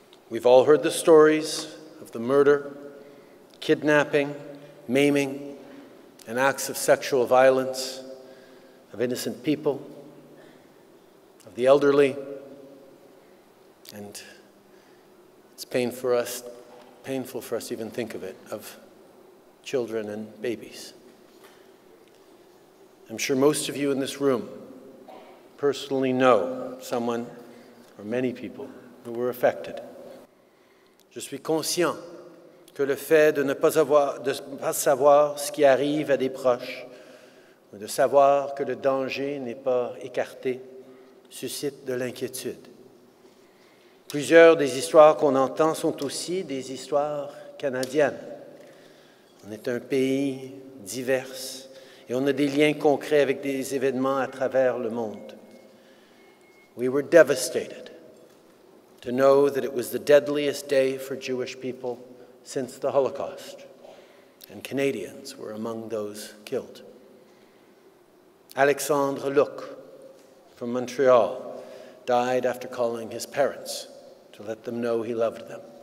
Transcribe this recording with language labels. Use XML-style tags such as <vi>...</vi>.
<en>We've all heard the stories of the murder, kidnapping, maiming, and acts of sexual violence of innocent people, of the elderly, and painful for us to even think of it, of children and babies. I'm sure most of you in this room personally know someone or many people who were affected.</en> <fr>Je suis conscient que le fait de ne pas savoir ce qui arrive à des proches, ou de savoir que le danger n'est pas écarté, suscite de l'inquiétude. Plusieurs des histoires qu'on entend sont aussi des histoires canadiennes. On est un pays divers et on a des liens concrets avec des événements à travers le monde.</fr> <en>We were devastated to know that it was the deadliest day for Jewish people since the Holocaust, and Canadians were among those killed. Alexandre Luc from Montreal died after calling his parents to let them know he loved them.</en>